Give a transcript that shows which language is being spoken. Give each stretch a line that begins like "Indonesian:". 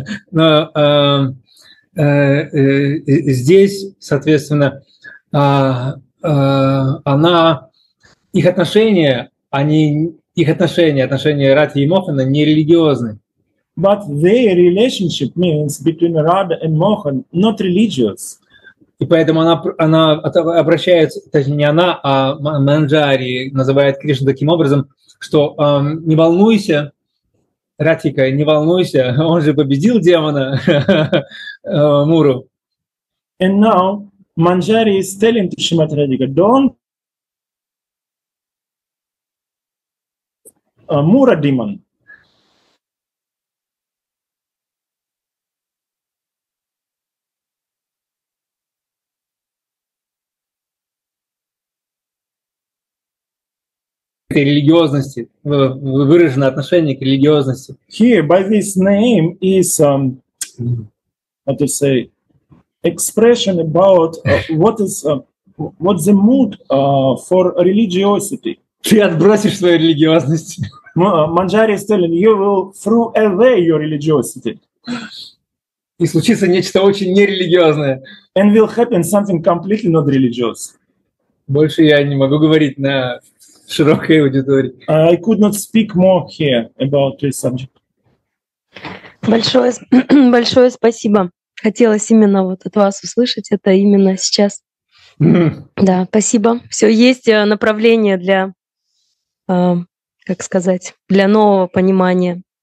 Russian: Но здесь, соответственно, она их отношения, они их отношения, отношения Радхи и Мохана не религиозны.
English: But their relationship means between Radha and Mohan not religious.
Russian: И поэтому она обращается, точнее не она, а Манджари называет Кришну таким образом, что не волнуйся, Радхика, не волнуйся, он же победил демона Муру.
English: And now Manjari is telling to Shrimati Radhika, don't Mura demon.
Russian: Религиозности, выражено отношение к религиозности.
English: Here by this name is how to say, expression about what is what the mood for religiosity.
Russian: Ты отбросишь свою религиозность.
English: Манджари is telling you will throw away your religiosity.
Russian: И случится нечто очень нерелигиозное.
English: And will happen something completely not religious.
Russian: Больше я не могу говорить на широкой аудитории.
English: I could not speak more here about this subject.
Russian: Большое, большое спасибо. Хотелось именно вот от вас услышать это именно сейчас. Да, спасибо. Все, есть направление для, как сказать, для нового понимания.